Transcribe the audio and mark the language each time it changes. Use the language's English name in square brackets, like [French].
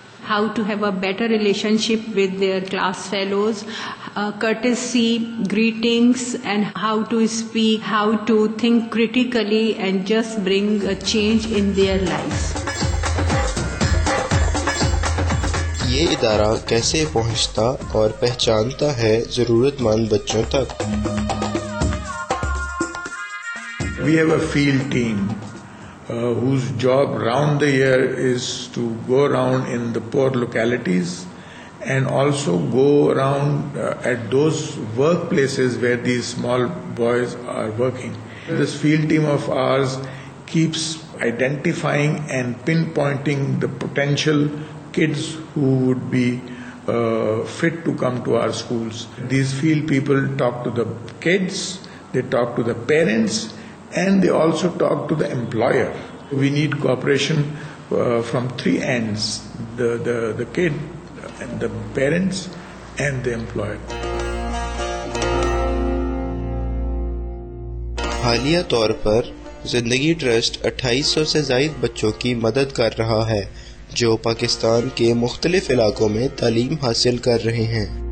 [English] How to have a better relationship with their class fellows, courtesy, greetings, and how to speak, how to think critically and just bring a change in their lives. [Urdu] یہ ادارہ کیسے پہنچتا اور پہچانتا ہے ضرورت مند بچوں تک؟ [English] We have a field team whose job round the year is to go around in the poor localities and also go around at those workplaces where these small boys are working. This field team of ours keeps identifying and pinpointing the potential kids who would be fit to come to our schools. These field people talk to the kids, they talk to the parents, and they also talk to the employer. We need cooperation from three ends: the kid, and the parents, and the employer. [Urdu] حالیہ طور پر زندگی trust 2800 سے زائد بچوں کی مدد کر رہا ہے جو پاکستان کے مختلف علاقوں میں تعلیم حاصل کر رہے ہیں۔